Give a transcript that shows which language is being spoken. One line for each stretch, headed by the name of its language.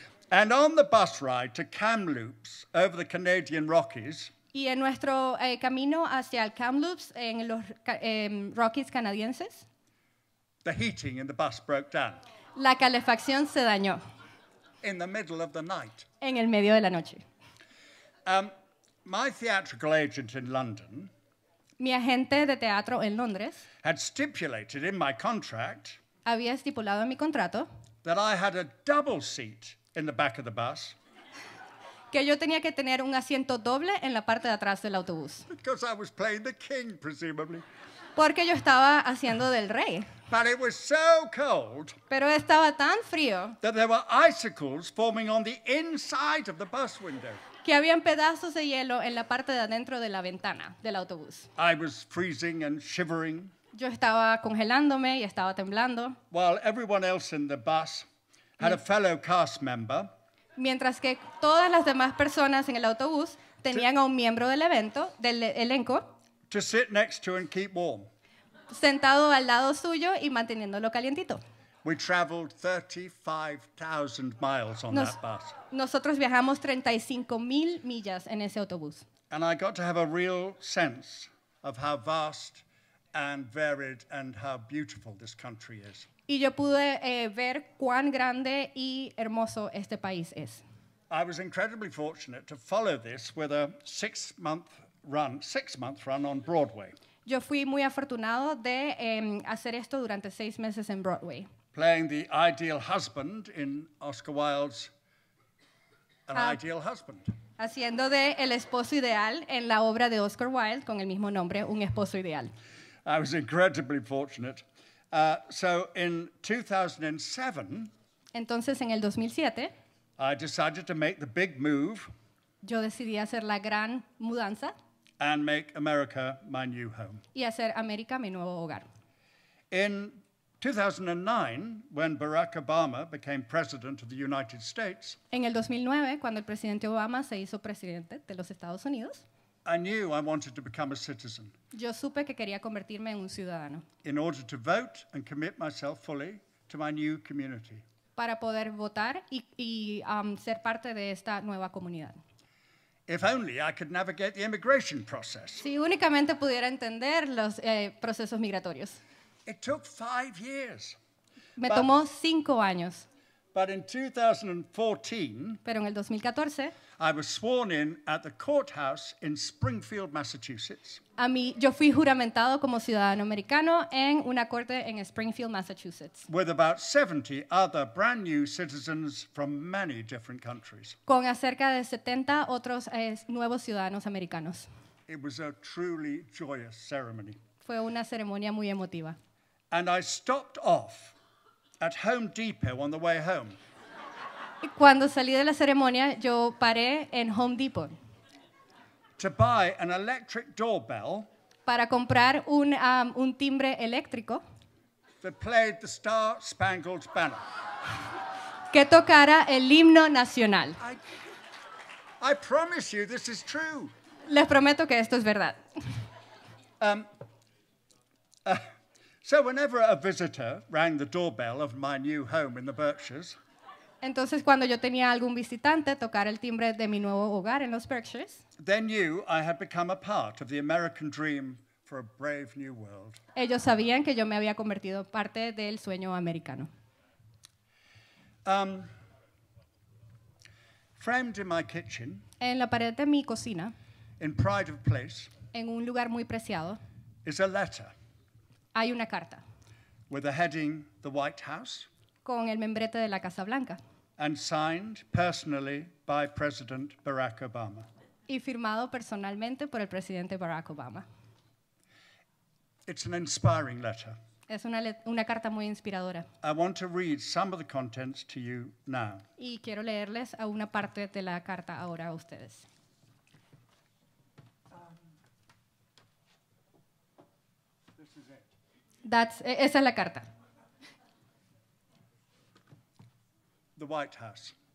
English: And on the bus ride to Kamloops over the Canadian Rockies.
Spanish: Y en nuestro camino hacia el Kamloops en los Rockies canadienses.
English: The heating in the bus broke down.
Spanish: La calefacción se dañó.
English: In the middle of the night.
Spanish: En el medio de la noche.
English: My theatrical agent in London,
Spanish: mi agente de teatro en Londres,
English: had stipulated in my contract,
Spanish: había estipulado en mi contrato,
English: that I had a double seat in the back of the bus,
Spanish: que yo tenía que tener un asiento doble en la parte de atrás del autobús.
English: Because I was playing the king, presumably.
Spanish: Porque yo estaba haciendo del rey.
English: But it was so cold.
Spanish: Pero estaba tan frío.
English: That there were icicles forming on the inside of the bus window.
Spanish: Que habían pedazos de hielo en la parte de adentro de la ventana del autobús.
English: I was freezing and shivering.
Spanish: Yo estaba congelándome y estaba temblando.
English: While everyone else in the bus had a fellow cast member.
Spanish: Mientras que todas las demás personas en el autobús tenían a un miembro del evento, del elenco.
English: To sit next to and keep warm.
Spanish: Sentado al lado suyo y manteniéndolo calientito.
English: We traveled 35,000 miles on that bus.
Spanish: Nosotros viajamos 35,000 millas en ese autobús.
English: And I got to have a real sense of how vast and varied and how beautiful this country is.
Spanish: Y yo pude ver cuán grande y hermoso este país es.
English: I was incredibly fortunate to follow this with a six-month run on Broadway.
Spanish: Yo fui muy afortunado de hacer esto durante 6 meses en Broadway.
English: Playing the ideal husband in Oscar Wilde's An Ideal Husband.
Spanish: Haciendo de el esposo ideal en la obra de Oscar Wilde con el mismo nombre, Un Esposo Ideal.
English: I was incredibly fortunate. So in 2007,
Spanish: entonces en el 2007,
English: I decided to make the big move.
Spanish: Yo decidí hacer la gran mudanza.
English: And make America my new home.
Spanish: Y hacer América mi nuevo hogar.
English: In 2009, when Barack Obama became president of the United States,
Spanish: en el 2009, cuando el presidente Obama se hizo presidente de los Estados Unidos,
English: I knew I wanted to become a citizen.
Spanish: Yo supe que quería convertirme en un ciudadano.
English: In order to vote and commit myself fully to my new community.
Spanish: Para poder votar y ser parte de esta nueva comunidad.
English: If only I could navigate the immigration process.
Spanish: Si únicamente pudiera entender los procesos migratorios.
English: It took 5 years.
Spanish: Me tomó 5 años.
English: But in 2014,
Spanish: pero en el 2014,
English: I was sworn in at the courthouse in Springfield, Massachusetts.
Spanish: Yo fui juramentado como ciudadano americano en una corte en Springfield, Massachusetts.
English: With about 70 other brand new citizens from many different countries.
Spanish: Con acerca de 70 otros nuevos ciudadanos americanos.
English: It was a truly joyous ceremony.
Spanish: Fue una ceremonia muy emotiva.
English: And I stopped off at Home Depot on the way home.
Spanish: Cuando salí de la ceremonia, yo paré en Home Depot.
English: To buy an electric doorbell.
Spanish: Para comprar un timbre eléctrico.
English: That played the Star Spangled Banner.
Spanish: Que tocara el himno nacional.
English: I promise you this is true.
Spanish: Les prometo que esto es verdad.
English: So whenever a visitor rang the doorbell of my new home in the Berkshires,
Spanish: entonces cuando yo tenía algún visitante tocar el timbre de mi nuevo hogar en los Berkshires,
English: they knew I had become a part of the American dream for a brave new world.
Spanish: Ellos sabían que yo me había convertido parte del sueño americano.
English: Framed in my kitchen,
Spanish: en la pared de mi cocina,
English: in pride of place,
Spanish: en un lugar muy preciado,
English: is a letter.
Spanish: Hay una carta.
English: With the heading the White House.
Spanish: Con el membrete de la Casa Blanca.
English: And signed personally by President Barack Obama.
Spanish: Y firmado personalmente por el presidente Barack Obama.
English: It's an inspiring letter.
Spanish: Es una carta muy inspiradora.
English: I want to read some of the contents to you now.
Spanish: Y quiero leerles a una parte de la carta ahora a ustedes. Esa es la carta.
English: The White House.